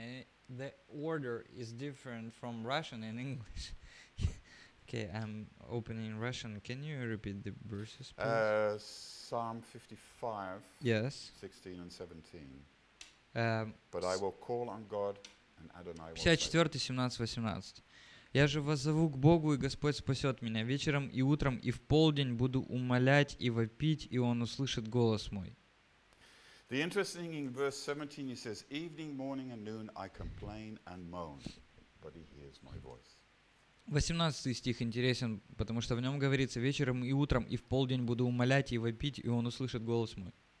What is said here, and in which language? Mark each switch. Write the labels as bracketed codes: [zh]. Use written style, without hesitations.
[en] And the order is different from Russian and English. Okay, I'm opening Russian. Can you repeat the verses, please? Psalm 55, yes. 16 and 17. But I will call on God and Adonai will save me. [ru] 54, 17, 18. Я же воззову к Богу, и Господь спасет меня. Вечером и утром и в полдень буду умолять и вопить, и Он услышит голос мой. [en] The interesting thing in verse 17, he says, evening, morning and noon I complain and moan, but He hears my voice. [ru] 18 стих интересен, потому что в нем говорится: вечером и утром и в полдень буду умолять и вопить, и Он услышит голос мой.